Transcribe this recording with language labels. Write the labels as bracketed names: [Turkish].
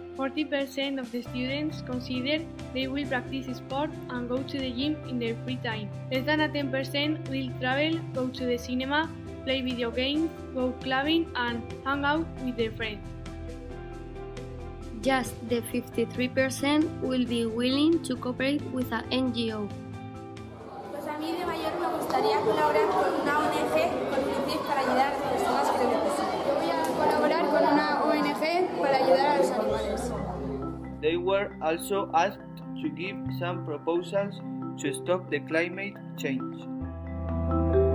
[English] 40% of the students consider they will practice sport and go to the gym in their free time. Less than 10% will travel, go to the cinema, play video games, go clubbing and hang out with their friends. Just the 53% will be willing to cooperate with an NGO. [Spanish] A mí de mayor me gustaría colaborar con una ONG con fines para ayudar a las personas que lo necesitan. Voy a colaborar con una ONG para ayudar a los animales. [English] They were also asked to give some proposals to stop the climate change.